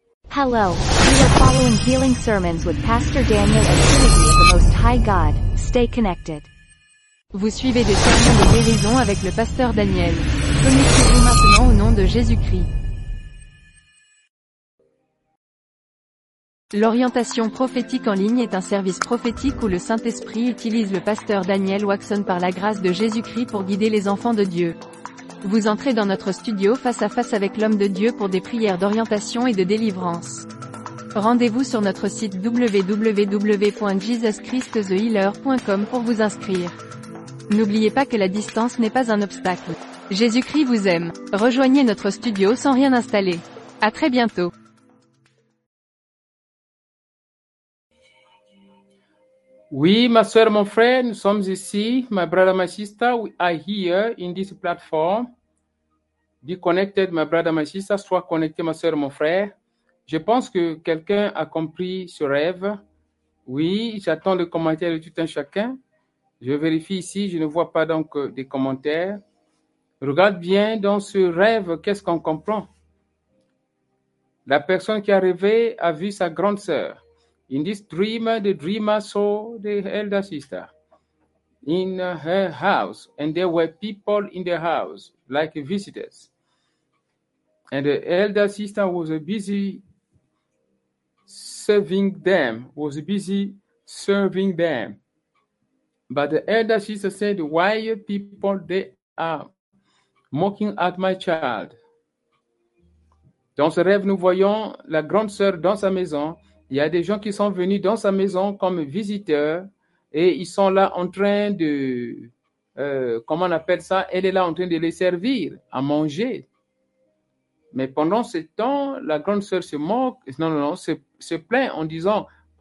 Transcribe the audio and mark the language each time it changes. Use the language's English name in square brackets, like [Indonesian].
[English] Hello, we are following healing sermons with Pastor Daniel and Trinity of the Most High God. Stay connected. [French] Vous suivez des sermons de guérison avec le Pasteur Daniel. Connectez-vous maintenant au nom de Jésus-Christ. L'orientation prophétique en ligne est un service prophétique où le Saint-Esprit utilise le Pasteur Daniel Waxon par la grâce de Jésus-Christ pour guider les enfants de Dieu. Vous entrez dans notre studio face à face avec l'homme de Dieu pour des prières d'orientation et de délivrance. Rendez-vous sur notre site www.jesuschristthehealer.com pour vous inscrire. N'oubliez pas que la distance n'est pas un obstacle. Jésus-Christ vous aime. Rejoignez notre studio sans rien installer. À très bientôt. Oui, ma sœur, mon frère, nous sommes ici. [English] My brother, my sister, we are here in this platform. Be connected, my brother, my sister. [French] Sois connecté, ma sœur, mon frère. Je pense que quelqu'un a compris ce rêve. Oui, j'attends le commentaire de tout un chacun. Je vérifie ici, je ne vois pas donc des commentaires. Regarde bien dans ce rêve, qu'est-ce qu'on comprend? La personne qui a rêvé a vu sa grande sœur. [English] In this dream, the dreamer saw the elder sister in her house, and there were people in the house, like visitors. And the elder sister was busy serving them, But the elder sister said, why people, they are mocking at my child? [French] Dans ce rêve, nous voyons la grande sœur dans sa maison. Il y a des gens qui sont venus dans sa maison comme visiteurs et ils sont là en train de, comment on appelle ça, elle est là en train de les servir à manger. Mais pendant ce temps, la grande sœur se moque, se plaint en disant, «